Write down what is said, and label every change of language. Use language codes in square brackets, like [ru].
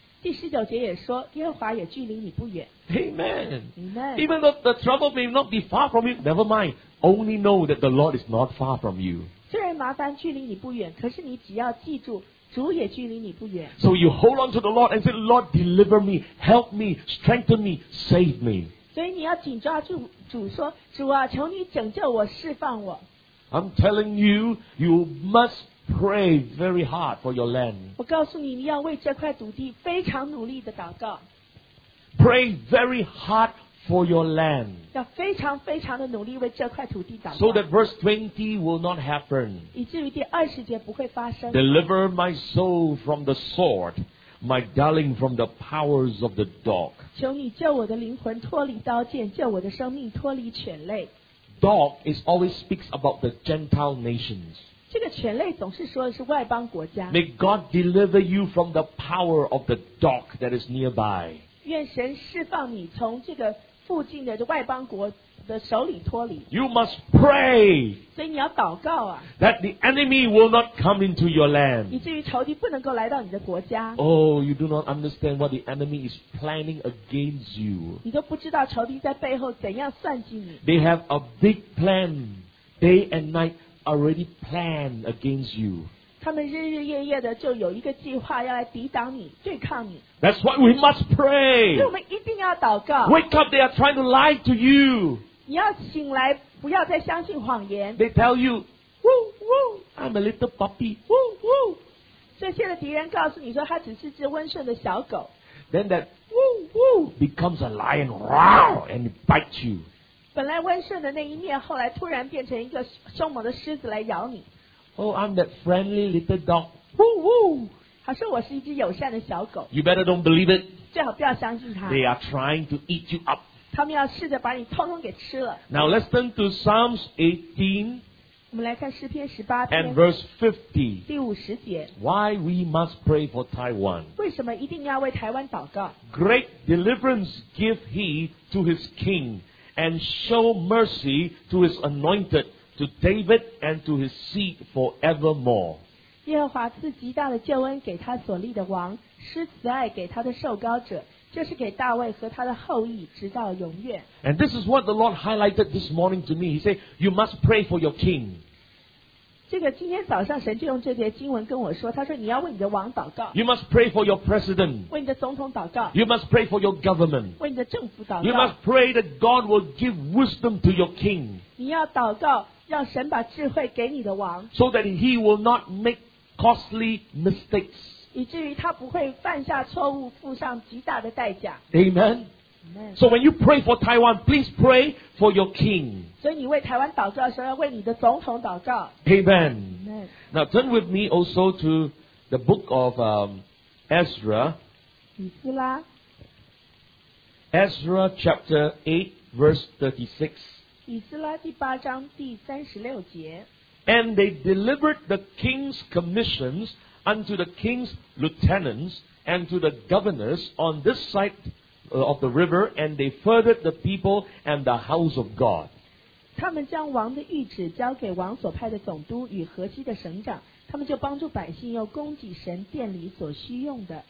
[zh] 第十九节也说，耶和华也距离你不远。 [en] Amen. Amen. Even though the trouble may not be far from you, never mind. Only know that the Lord is not far from you. [zh] 虽然麻烦距离你不远，可是你只要记住。主也距离你不远。 [en] So you hold on to the Lord and say, Lord, deliver me, help me, strengthen me, save me. [zh] 所以你要紧抓住主说，主啊，求你拯救我，释放我。 [en] I'm telling you, you must pray very hard for your land. [zh] 我告诉你，你要为这块土地非常努力的祷告。 [en] Pray very hard for your land. [zh] 要非常非常的努力为这块土地祷告。 [en] So that verse 20 will not happen. [zh] 以至于第二十节不会发生。 [en] Deliver my soul from the sword, my darling from the powers of the dog. [zh] 求你救我的灵魂脱离刀剑，救我的生命脱离犬类。 [en] Dog is always speaks about the Gentile nations. [zh] 这个犬类总是说的是外邦国家。 [en] May God deliver you from the power of the dog that is nearby. [zh] 愿神释放你从这个附近的外邦国的手里脱离。 [en] You must pray. [zh] 所以你要祷告啊。 [en] That the enemy will not come into your land. [zh] 以至于仇敌不能够来到你的国家。 [en] Oh, you do not understand what the enemy is planning against you. [zh] 你都不知道仇敌在背后怎样算计你。 [en] They have a big plan, day and night already planned against you. [zh] 他们日日夜夜的就有一个计划要来抵挡你，对抗你。 [en] That's why we must pray. [zh] 所以我们一定要祷告。 [en] Wake up, they are trying to lie to you. [zh] 你要醒来，不要再相信谎言。 [en] They tell you, woo woo, I'm a little puppy, woo woo. [zh] 这些的敌人告诉你说，他只是只温顺的小狗。 [en] Then that woo woo becomes a lion, roar, and bites you. [zh] 本来温顺的那一面，后来突然变成一个凶猛的狮子来咬你。 [en] Oh, I'm that friendly little dog. Woo woo. [zh] 他说我是一只友善的小狗。 [en] You better don't believe it. [zh] 最好不要相信他。 [en] They are trying to eat you up. [zh] 他们要试着把你通通给吃了。 [en] Now let's turn to Psalms 18. [zh] 我们来看诗篇十八篇。 [en] And verse 50. [zh] 第五十节。 [en] Why we must pray for Taiwan? [zh] 为什么一定要为台湾祷告 [en] ？Great deliverance give he to his king, and show mercy to his anointed. To David and to his seed forevermore. [zh] 耶和华赐极大的救恩给他所立的王，施慈爱给他的受膏者，这是给大卫和他的后裔，直到永远。 [en] And this is what the Lord highlighted this morning to me. He said, "You must pray for your king." [zh] 这个今天早上神就用这节经文跟我说，他说你要为你的王祷告。 [en] You must pray for your president. [zh] 为你的总统祷告。 [en] You must pray for your government. [zh] 为你的政府祷告。 [en] You must pray that God will give wisdom to your king. [zh] 你要祷告。让神把智慧给你的王 [en] ，so that he will not make costly mistakes， [zh] 以至于他不会犯下错误，付上极大的代价。 [en] Amen. Amen. So when you pray for Taiwan, please pray for your king. [zh] 所以你为台湾祷告的时候，要为你的总统祷告。 [en] Amen. Amen. Now turn with me also to the book of Ezra. [zh] 以斯拉。 [en] Ezra chapter 8 verse 36. [zh] 以斯拉第八章第三十六节。 [en] And they delivered the king's commissions unto the king's lieutenants and to the governors on this side of the river, and they furthered the people and the house of God. [zh] 他们将王的谕旨交给王所派的总督与河西的省长，他们就帮助百姓，又供给神殿里所需用的。